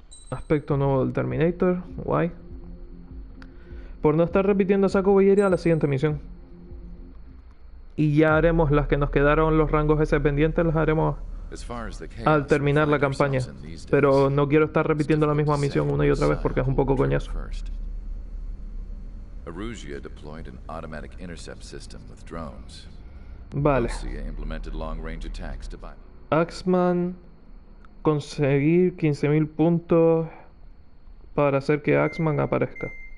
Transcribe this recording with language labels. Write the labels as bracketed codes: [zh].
[es] Aspecto nuevo del Terminator. Guay. Por no estar repitiendo a saco, voy a ir a la siguiente misión. Y ya haremos las que nos quedaron los rangos ese pendientes, las haremos al terminar la campaña. Pero no quiero estar repitiendo la misma misión una y otra vez porque es un poco coñazo. [en] Arugia deployed an automatic intercept system with drones. [es] Vale. Axeman, conseguir 15.000 puntos para hacer que Axeman aparezca.